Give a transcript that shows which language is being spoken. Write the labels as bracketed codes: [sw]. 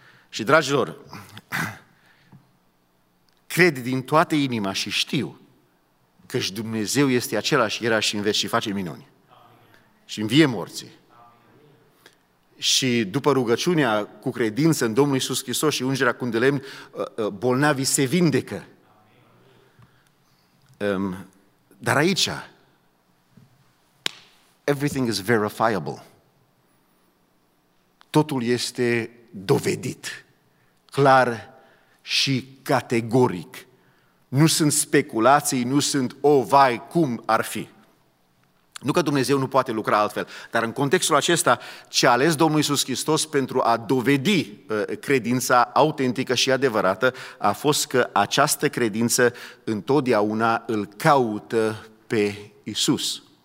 [ro] Și dragilor, cred din toată inima și știu că și Dumnezeu este același, era și în veci și face minuni. Și învie morții. Și după rugăciunea cu credință în Domnul Iisus Hristos și ungerea cu de lemn, bolnavii se vindecă. Dar aici [en] everything is verifiable. [ro] Totul este dovedit, clar și categoric. Nu sunt speculații, nu sunt vai, cum ar fi. Nu că Dumnezeu nu poate lucra altfel, dar în contextul acesta ce a ales Domnul Iisus Hristos pentru a dovedi credința autentică și adevărată a fost că această credință întotdeauna îl caută pe Iisus.